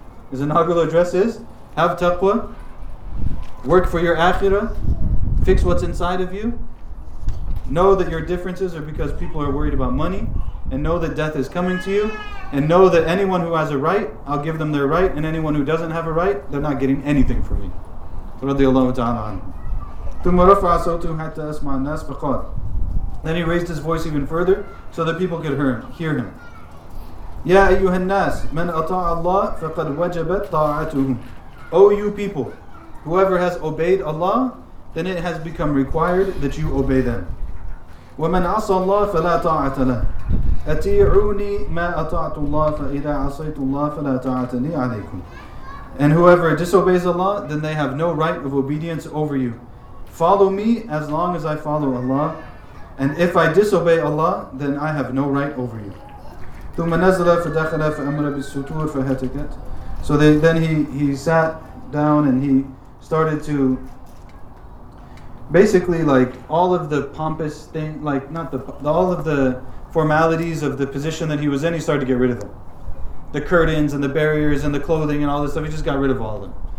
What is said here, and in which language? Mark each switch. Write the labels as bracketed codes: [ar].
[en] His inaugural address is, have taqwa, work for your akhirah, fix what's inside of you, know that your differences are because people are worried about money, and know that death is coming to you, and know that anyone who has a right, I'll give them their right, and anyone who doesn't have a right, they're not getting anything from me. Radiallahu ta'ala anhu. [ar] ثم رفع صوته حتى أسمع الناس فقال. [en] Then he raised his voice even further so that people could hear him. [ar] يا أيها الناس من أطاع الله فقد وجبت طاعته. [en] O you people, whoever has obeyed Allah, then it has become required that you obey them. [ar] ومن عصى الله فلا طاعة له. أتيعوني ما أطعت الله فإذا عصيت الله فلا طاعتني عليكم. [en] And whoever disobeys Allah, then they have no right of obedience over you. Follow me as long as I follow Allah, and if I disobey Allah, then I have no right over you. [ar] ثم نزل فدخل فأمر بالسطور فهتكت. [en] So then he sat down and he started to basically, like, all of the pompous thing, like, not the all of the formalities of the position that he was in, he started to get rid of them. The curtains and the barriers and the clothing and all this stuff, he just got rid of all of them.